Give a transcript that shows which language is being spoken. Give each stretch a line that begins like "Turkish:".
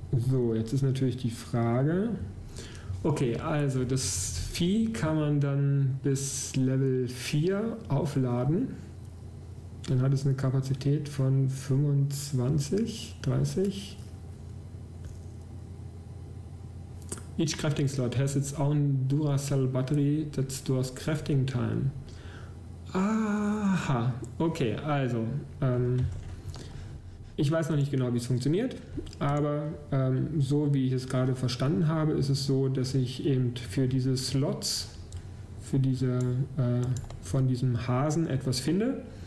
German: So, jetzt ist natürlich die Frage. Okay, also das Vieh kann man dann bis Level 4 aufladen. Dann hat es eine Kapazität von 25, 30.
English: Each crafting slot has its own Duracell battery that stores crafting time.
German: Aha, okay, also, ich weiß noch nicht genau, wie es funktioniert, aber so wie ich es gerade verstanden habe, ist es so, dass ich eben für diese Slots, für diese, von diesem Hasen etwas finde.